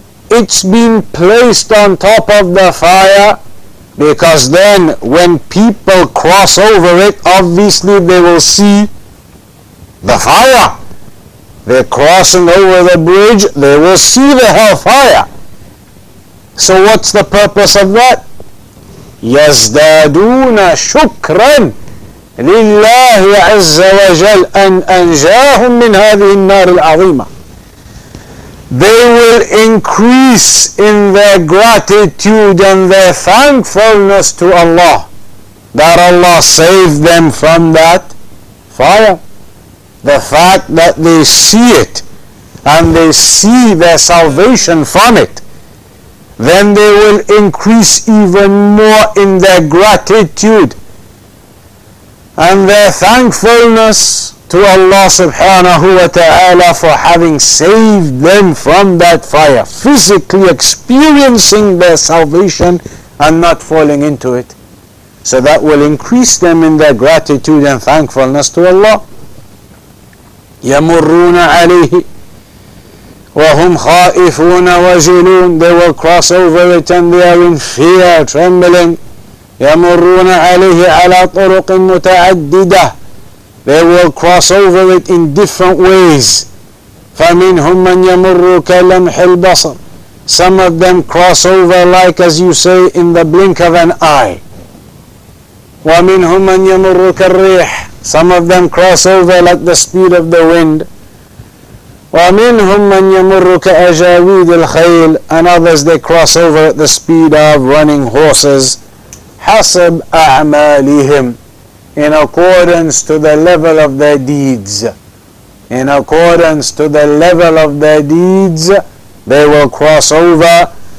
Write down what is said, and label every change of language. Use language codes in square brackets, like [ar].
[en] It's been placed on top of the fire because then when people cross over it, obviously they will see the fire. They're crossing over the bridge, they will see the hellfire. So what's the purpose of that? [ar] يَزْدَادُونَ شُكْرًا لله عز وجل أن أنجاهم من هذه النار العظيمة. [en] They will increase in their gratitude and their thankfulness to Allah that Allah saved them from that fire. The fact that they see it and they see their salvation from it, then they will increase even more in their gratitude and their thankfulness to Allah subhanahu wa ta'ala for having saved them from that fire, physically experiencing their salvation and not falling into it. So that will increase them in their gratitude and thankfulness to Allah. [ar] يَمُرُّونَ عَلَيْهِ وَهُمْ خَائِفُونَ وَجِلُونَ. [en] They will cross over it and they are in fear, trembling. [ar] يمرون عليه على طرق متعددة. [en] They will cross over it in different ways. [ar] فمنهم من يمر كلمح البصر. [en] Some of them cross over like, as you say, in the blink of an eye. [ar] ومنهم من يمر كالريح. [en] Some of them cross over like the speed of the wind. [ar] ومنهم من يمر كأجاويد الخيل. [en] And others, they cross over at the speed of running horses. [ar] حسب أعمالهم, [en] in accordance to the level of their deeds. In accordance to the level of their deeds, they will cross over.